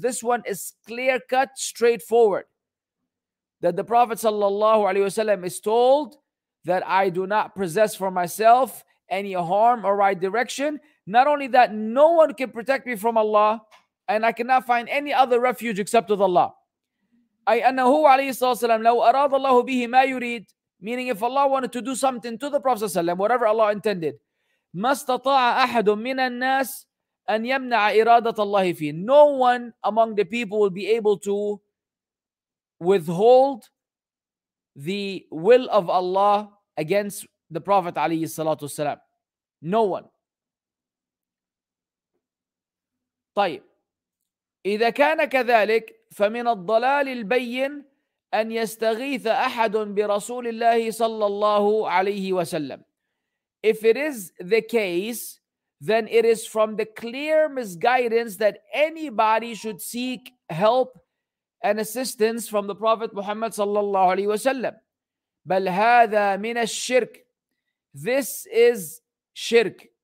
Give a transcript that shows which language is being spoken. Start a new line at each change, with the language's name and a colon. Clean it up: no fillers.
English: This one is clear cut, straightforward. That the Prophet sallallahu alaihi wasallam is told that I do not possess for myself any harm or right direction. Not only that, no one can protect me from Allah, and I cannot find any other refuge except with Allah.
Arabic: أي أنه عليه الصلاة والسلام لو أراد الله به ما يريد,
English: meaning if Allah wanted to do something to the Prophet صلى الله عليه وسلم, whatever Allah intended,
Arabic: ما استطاع أحد من الناس أن يمنع إرادة الله فيه.
English: No one among the people will be able to withhold the will of Allah against the Prophet عليه الصلاة والسلام. No one.
Arabic: طيب إذا كان كذلك فمن الضلال البين أن يستغيث أحد برسول الله صلى الله عليه وسلم.
English: If it is the case, then it is from the clear misguidance that anybody should seek help and assistance from the Prophet Muhammad صلى الله عليه وسلم.
Arabic: بل هذا من الشرك.
English: This is shirk.